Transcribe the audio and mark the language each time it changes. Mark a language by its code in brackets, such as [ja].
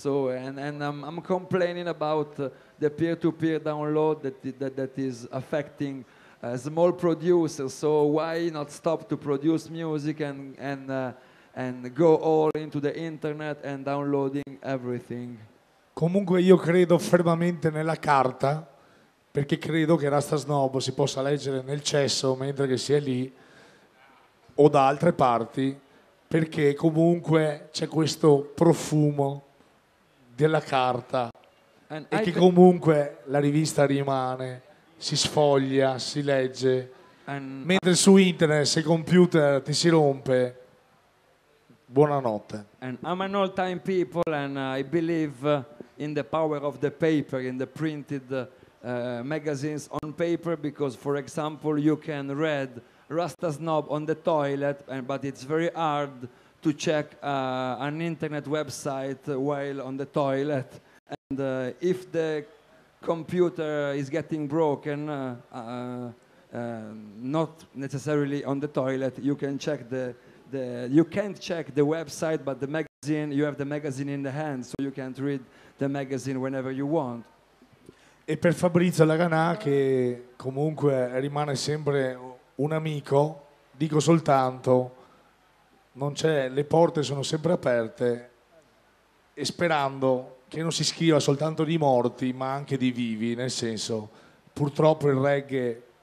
[en] So and I'm complaining about the peer-to-peer download that is affecting small producers. So why not stop to produce music and go all into the internet and downloading everything? [it] Comunque io credo fermamente nella carta, perché credo che Rasta Snob si possa leggere nel cesso mentre che sia lì o da altre parti, perché comunque c'è questo profumo della carta e che comunque la rivista rimane, si sfoglia, si legge, mentre su internet se il computer ti si rompe, buonanotte. [en] And I'm an old time people and I believe in the power of the paper, in the printed magazines on paper, because for example you can read Rasta Snob on the toilet, but it's very hard to check an internet website while on the toilet. And if the computer is getting broken, not necessarily on the toilet, you can check you can't check the website, but the magazine, you have the magazine in the hand, so you can't read the magazine whenever you want. [it] E per Fabrizio Laganà, che comunque rimane sempre un amico, dico soltanto, non c'è, le porte sono sempre aperte e sperando che non si scriva soltanto di morti ma anche di vivi, nel senso, purtroppo il reggae,